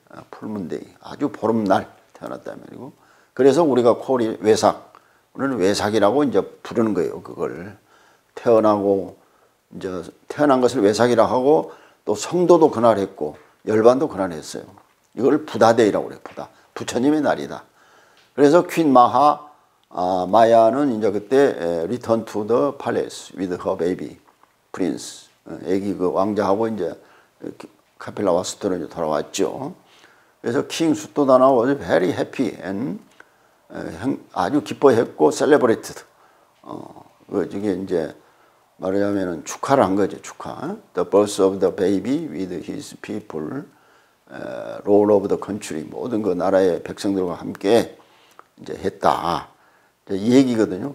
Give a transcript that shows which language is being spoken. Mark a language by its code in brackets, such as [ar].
[ko] 풀문데이. 아주 보름날 태어났다는 말이고. 그래서 우리가 코리 왜삭. 우리는 왜삭이라고 이제 부르는 거예요. 그걸. 태어나고, 이제 태어난 것을 왜삭이라고 하고, 또 성도도 그날 했고, 열반도 그날 했어요. 이걸 부다데이라고 그래요. 부다. 부처님의 날이다. 그래서 퀸 마하, 마야는 이제 그때 [en] return to the palace with her baby, prince. [ko] 애기 그 왕자하고 이제 카필라 와스토로 이제 돌아왔죠. 그래서 킹 숫도다나 [en] was very happy and [ko] 아주 기뻐했고 [en] celebrated. [ko] 그게 이제 말하자면 축하를 한 거죠. 축하. [en] The birth of the baby with his people, rule of the country. [ko] 모든 그 나라의 백성들과 함께 이제 했다. 이 얘기거든요.